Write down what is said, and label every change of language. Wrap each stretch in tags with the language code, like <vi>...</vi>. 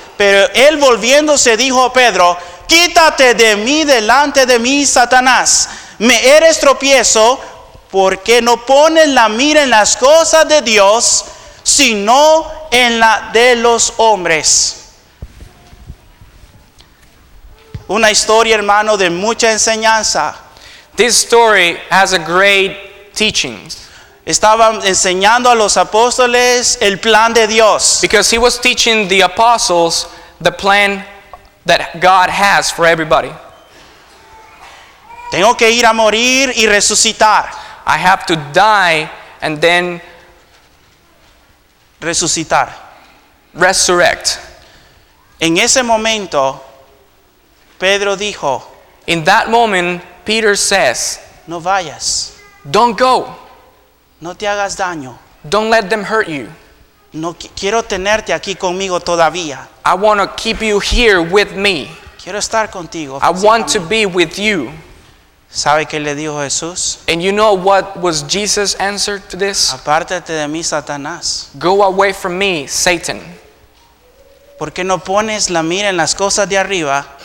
<es>Pero él, volviéndose, dijo a Pedro: quítate de mí, delante de mí, Satanás, me eres tropiezo, porque no pones la mira en las cosas de Dios, sino en la de los hombres. Una historia, hermano, de mucha enseñanza.</es> <en>This story has a great teaching.</en> <es>Estaba enseñando a los apóstoles el plan de Dios.</es> <en>Because he was teaching the apostles the plan that God has for everybody.</en> <es>Tengo que ir a morir y resucitar.</es> <en>I have to die and then</en> <es>resucitar.</es> <en>Resurrect.</en> <es>En ese momento Pedro dijo,</es> <en>in that moment, Peter says,</en> <es>no vayas.</es> <en>Don't go.</en> <es>No te hagas daño.</es> <en>Don't let them hurt you.</en> <es>No quiero tenerte aquí conmigo todavía.</es> <en>I want to keep you here with me.</en> <es>Quiero estar contigo.</es> <en>I want to be with you.</en> <es>¿Sabe qué le dijo Jesús?</es> <en>And you know what was Jesus' answer to this?</en> <es>Apártate de mí, Satanás.</es> <en>Go away from me, Satan.</en> <es>¿Por qué no pones la mira en las cosas de arriba?</es>